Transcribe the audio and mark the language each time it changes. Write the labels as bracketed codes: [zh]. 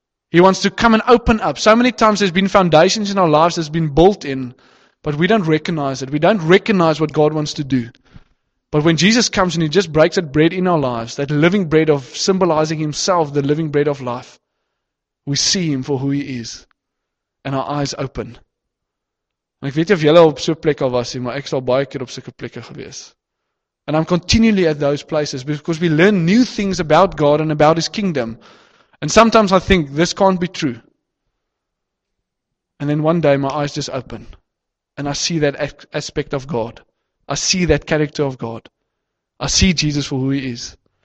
[en] He wants to come and open up. So many times there's been foundations in our lives that's been built in, but we don't recognize it. We don't recognize what God wants to do. But when Jesus comes and he just breaks that bread in our lives, that living bread of symbolizing himself, the living bread of life, we see him for who he is and our eyes open. [af] Ek weet of julle op so 'n plek al was nie, maar ek sal baie keer op sulke plekke gewees. [en] And I'm continually at those places because we learn new things about God and about his kingdom. And sometimes I think, this can't be true. And then one day my eyes just open and I see that aspect of God. I see that character of God. I see Jesus for who he is.